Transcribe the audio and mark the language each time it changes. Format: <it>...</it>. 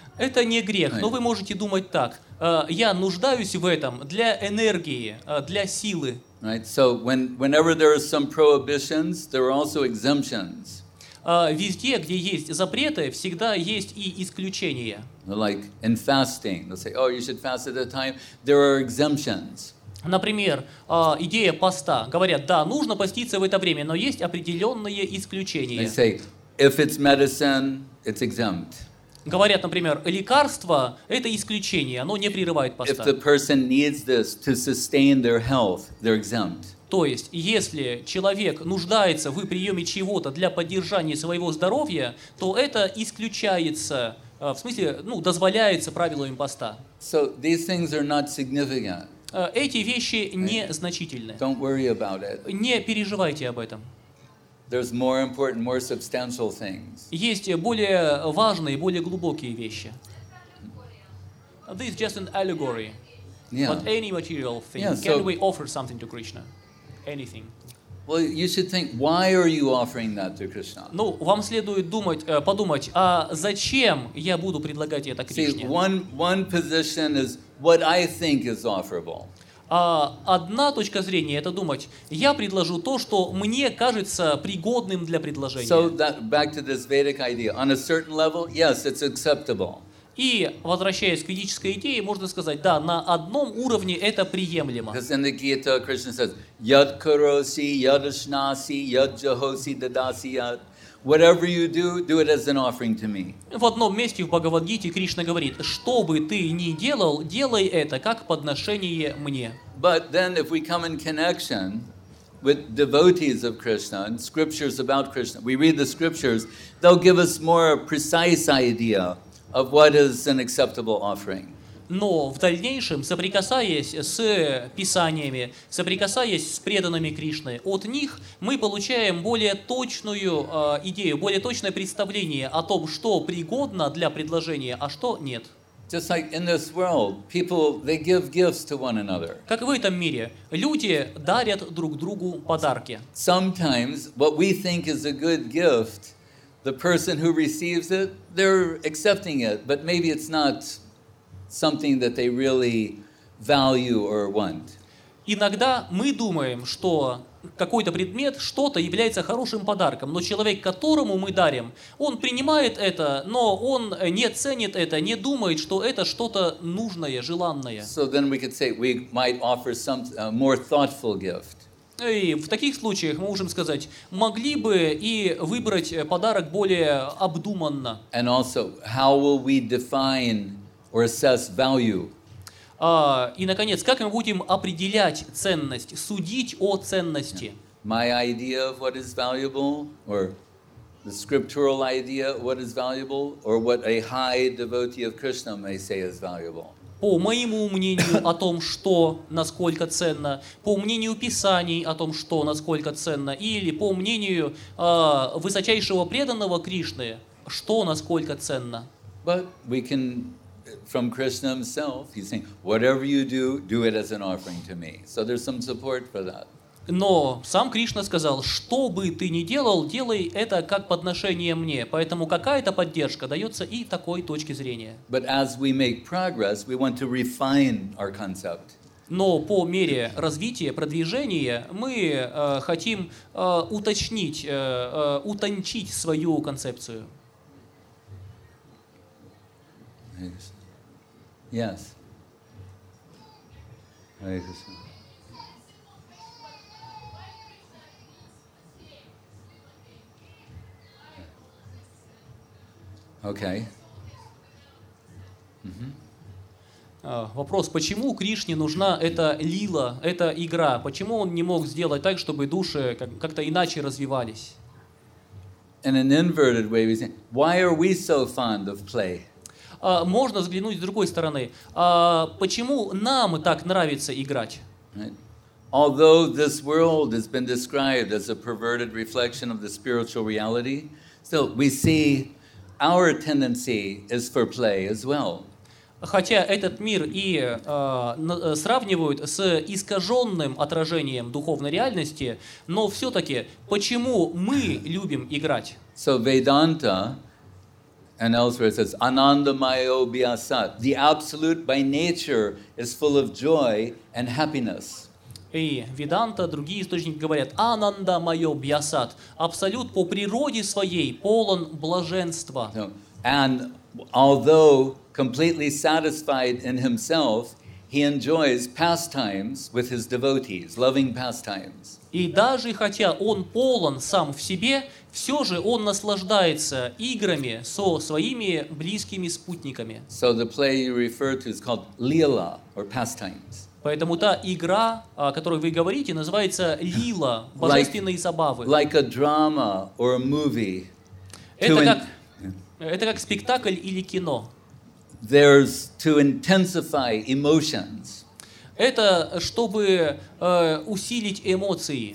<ru>Это не грех, но вы можете думать так. Я нуждаюсь в этом для энергии, для силы.</ru> <en>Right. So whenever there are some prohibitions, there are also exemptions.</en> <ru>Везде, где есть запреты, всегда есть и исключения.</ru> <en>Like in fasting, they'll say, "Oh, you should fast at a time." There are exemptions.</en> <ru>Например, идея поста. Говорят, да, нужно поститься в это время, но есть определенные исключения.</ru> <en>They say, if it's medicine, it's exempt.</en> <ru>Говорят, например, лекарство – это исключение, оно не прерывает поста.</ru> <en>If the person needs this to sustain their health, they're exempt.</en> <ru>То есть, если человек нуждается в приеме чего-то для поддержания своего здоровья, то это исключается, в смысле, ну, дозволяется правилами поста.</ru> <en>So these things are not significant.</en> <ru>Эти вещи незначительны.</ru> <en>Don't worry about it.</en> <ru>Не переживайте об этом.</ru> <en>There's more important, more substantial things.</en> <ru>Есть более важные, более глубокие вещи.</ru> <en>This is just an allegory. Yeah. But any material thing, can we offer something to Krishna? Anything. Well, you should think, why are you offering that to Krishna?</en> <ru>Ну, вам следует думать, подумать, а зачем я буду предлагать это Кришне?</ru> <en>See, one position is what I think is offerable.</en> <ru>Одна точка зрения – это думать, я предложу то, что мне кажется пригодным для предложения.</ru> <en>So that, back to this Vedic idea. On a certain level, yes, it's acceptable.</en> <ru>И, возвращаясь к ведической идее, можно сказать, да, на одном уровне это приемлемо.</ru> <en>Because in the Gita, Krishna says,</en> <sa>yad karosi, yad ashnasi, yad jahosi, dadasi, yad.</sa> <en>Whatever you do, do it as an offering to me.</en> <ru>В одном месте в Бхагавад-гите Кришна говорит: что бы ты ни делал, делай это как подношение мне.</ru> <en>But then if we come in connection with devotees of Krishna and scriptures about Krishna, we read the scriptures, they'll give us more precise idea of what is an acceptable offering.</en> <ru>Но в дальнейшем, соприкасаясь с писаниями, соприкасаясь с преданными Кришны, от них мы получаем более точную идею, более точное представление о том, что пригодно для предложения, а что нет.</ru> <en>Just like in this world, people, they give gifts to one another.</en> <ru>Как в этом мире, люди дарят друг другу подарки.</ru> <en>Sometimes what we think is a good gift, the person who receives it, they're accepting it, but maybe it's not something that they really value or want.</en> <ru>Иногда мы думаем, что какой-то предмет, что-то является хорошим подарком, но человек, которому мы дарим, он принимает это, но он не ценит это, не думает, что это что-то нужное, желанное.</ru> <en>So then we could say we might offer some more thoughtful gift.</en> <ru>И в таких случаях мы можем сказать, могли бы и выбрать подарок более обдуманно.</ru> <en>And also, how will we define or assess value?</en> <ru>И наконец, как мы будем определять ценность, судить о ценности?</ru> <en>My idea of what is valuable, or the scriptural idea of what is valuable, or what a high devotee of Krishna may say is valuable.</en> <ru>По моему мнению о том, что насколько ценно, по мнению писаний о том, что насколько ценно, или по мнению высочайшего преданного Кришны, что насколько ценно.</ru> <en>But we can, from Krishna himself, he's saying, whatever you do, do it as an offering to me. So there's some support for that.</en> <ru>Но сам Кришна сказал, что бы ты ни делал, делай это как подношение мне. Поэтому какая-то поддержка дается и такой точки зрения.</ru> <en>But as we make progress, we want to refine our concept.</en> <ru>Но по мере развития, продвижения, мы хотим утончить свою концепцию.</ru> <en>Yes. Okay.</en> <ru>Вопрос, почему Кришне нужна эта лила, эта игра? Почему он не мог сделать так, чтобы души как-то иначе развивались?</ru> <en>In an inverted way, we say, why are we so fond of play?</en> <ru>Можно взглянуть с другой стороны. Почему нам так нравится играть?</ru> <en>Although this world has been described as a perverted reflection of the spiritual reality, still we see our tendency is for play as well.</en> <ru>Хотя этот мир и сравнивают с искаженным отражением духовной реальности, но все-таки почему мы любим играть?</ru> <en>So Vedanta and elsewhere it says, Anandamayo Byasat. The absolute by nature is full of joy and happiness.</en> <ru>И Веданта, другие источники говорят, Анандамайо Бьясат, абсолют по природе своей полон блаженства.</ru> <en>And although completely satisfied in himself, he enjoys pastimes with his devotees, loving pastimes.</en> <ru>И даже хотя он полон сам в себе, все же он наслаждается играми со своими близкими спутниками.</ru> <en>So the play you refer to is called Lila, or pastimes.</en> <ru>Поэтому та игра, о которой вы говорите, называется Лила, божественные забавы.</ru> <en>Like a drama or a movie.</en> <ru>Это как спектакль или кино.</ru> <en>There's to intensify emotions.</en> <ru>Это чтобы усилить эмоции.</ru>